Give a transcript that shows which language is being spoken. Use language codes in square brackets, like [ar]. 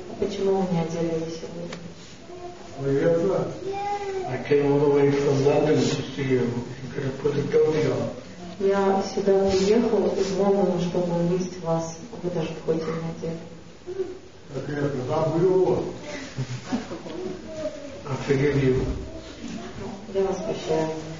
[ru] Почему вы не оделись сегодня? [en] Well, yes, I came all the way from London to see you. You could have put a dhoti on. [ru] Я сюда приехал из Лондона, чтобы увидеть вас. Вы даже дхоти не одели. Так это, забыл вас. [en] I forgive you. [ru] Я вас прощаю.